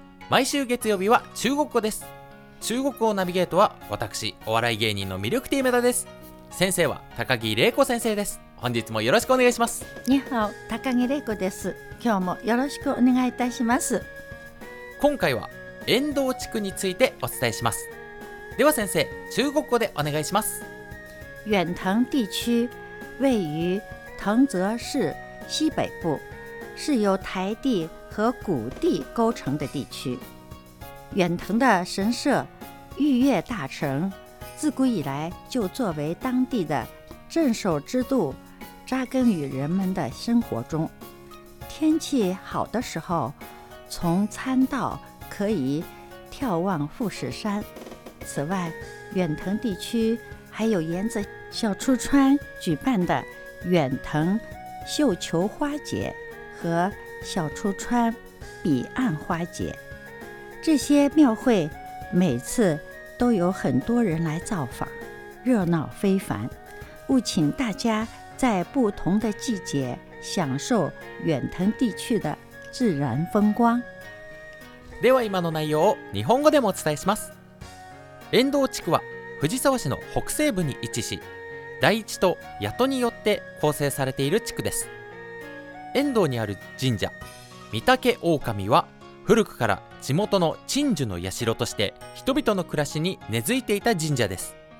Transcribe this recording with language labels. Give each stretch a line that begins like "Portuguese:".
Japanese: 毎週月曜日は中国語です。中国語ナビゲートは私、お笑い芸人の魅力ティメダです。先生は高木玲子先生です。本日もよろしくお願いします。ニホン、高木玲子です。今日もよろしくお願いいたします。今回は遠藤地区についてお伝えします。では先生、中国語でお願いします。
Chinese: 遠藤地区位于藤泽市西北部，是由台地和谷地构成的地区。远藤的神社玉月大成，自古以来就作为当地的镇守之都，扎根于人们的生活中。天气好的时候，从参道可以眺望富士山。此外，远藤地区还有沿着小出川举办的远藤绣球花节和小出川彼岸花节，这些庙会每次都有很多人来造访，热闹非凡，务请大家在不同的季节享受远藤地区的自然风光。
Japanese: では今の内容を日本語でもお伝えします。遠藤地区は藤沢市の北西部に位置し、台地と谷戸によって構成されている地区です。遠藤にある神社御岳狼は、古くから地元の鎮守の社として人々の暮らしに根付いていた神社です。